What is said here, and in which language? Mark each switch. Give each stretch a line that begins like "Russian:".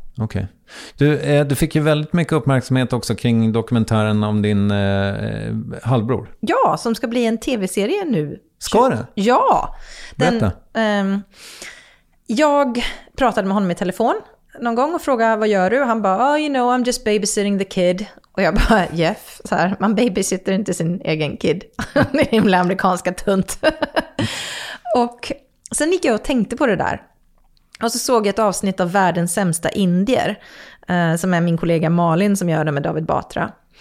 Swedish: Okej. Okay. Du fick ju väldigt mycket uppmärksamhet också kring dokumentären om din halvbror. Ja, som ska bli en tv-serie nu. Ska det? Ja. Den, jag pratade med honom i telefon någon gång och frågade, vad gör du? Han bara,
English: oh, you know, I'm just babysitting the kid.
Swedish: Och jag bara, Jeff, så här, man babysitter inte sin egen kid. Det är himla amerikanska tunt. Och sen gick jag och tänkte på det där. Och så såg jag ett avsnitt av Världens sämsta indier. Som är min kollega Malin som gör det med David Batra.